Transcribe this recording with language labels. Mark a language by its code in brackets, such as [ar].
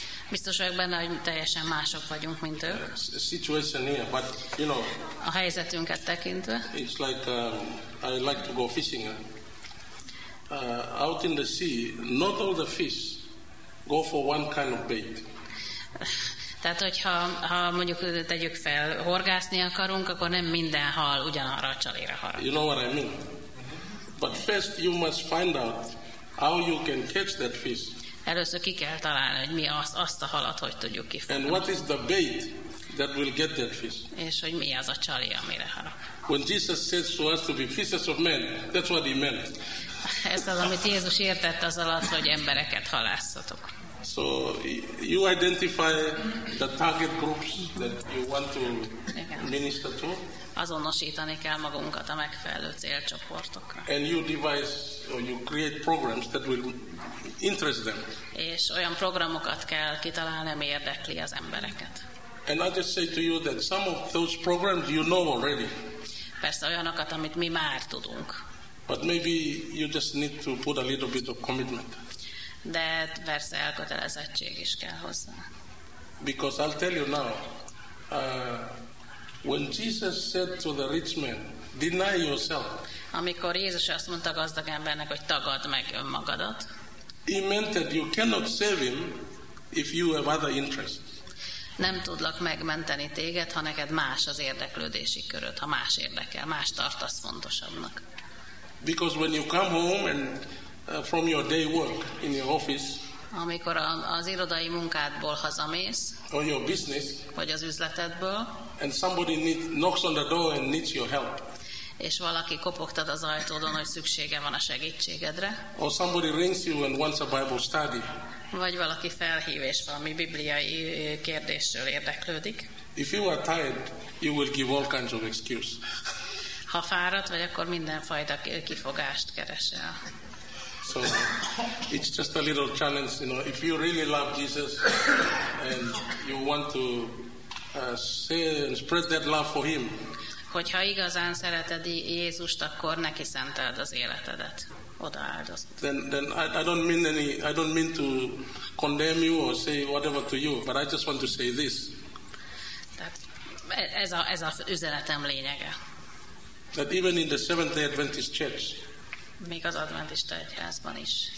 [hu] Biztos vagyok benne, hogy teljesen mások vagyunk, mint ők. [en] Situation here, but you know. [hu] A helyzetünket tekintve. [en] It's like I like to go fishing. Out in the sea, not all the fish go for one kind of bait. [hu] Tehát, hogyha mondjuk tegyük fel, horgászni akarunk, akkor nem minden hal ugyanarra a csalére harap. [en] You know what I mean? But first you must find out how you can catch that fish. [hu] Először ki kell találni, hogy mi azt a halat, hogy tudjuk kifogni. [en] And what is the bait that will get that fish? [hu] És hogy mi az a csalé, amire harap. [en] When Jesus says to us to be fishers of men, that's what he meant. [hu] Ez az, amit Jézus értett az alatt, hogy embereket halászatok. [en] So you identify the target groups that you want to minister to. [hu] Azonosítani kell magunkat a megfelelő célcsoportokra. [en] And you devise or you create programs that will interest them. [hu] És olyan programokat kell kitalálni, ami érdekli az embereket. [en] And I just say to you that some of those programs you know already. [hu] Persze olyanokat, amit mi már tudunk. [en] But maybe you just need to put a little bit of commitment. [hu] De persze elkötelezettség is kell hozzá. [en] Because I'll tell you now, when Jesus said to the rich man, deny yourself. [hu] Amikor Jézus azt mondta a gazdag embernek, hogy tagadd meg önmagadat. [en] He meant that you cannot save him if you have other interests. [hu] Nem tudlak megmenteni téged, ha neked más az érdeklődési köröd, ha más érdekel, más tartasz fontosabbnak. [en] Because when you come home and from your day work in your office. [hu] Amikor az irodai munkádból hazamész. [en] Or your business. [hu] Vagy az üzletedből. [en] And somebody knocks on the door and needs your help. [hu] És valaki kopogtat az ajtódon, hogy szüksége van a segítségedre. [en] Or somebody rings you and wants a Bible study. [hu] Vagy valaki felhív és valami bibliai kérdésről érdeklődik. [en] If you are tired, you will give all kinds of excuse. [hu] Ha fáradt vagy, akkor mindenfajta kifogást keresel. [en] So it's just a little challenge, you know, if you really love Jesus and you want to say and spread that love for him. [hu] Hogyha igazán szereted Jézust, akkor neki szenteld az életedet. Odaáldozd. [en] Then I don't mean to condemn you or say whatever to you, but I just want to say this. [hu] Tehát ez a üzenetem lényege. [en] That even in the Seventh-day Adventist Church, [hu] még az adventista egyházban is.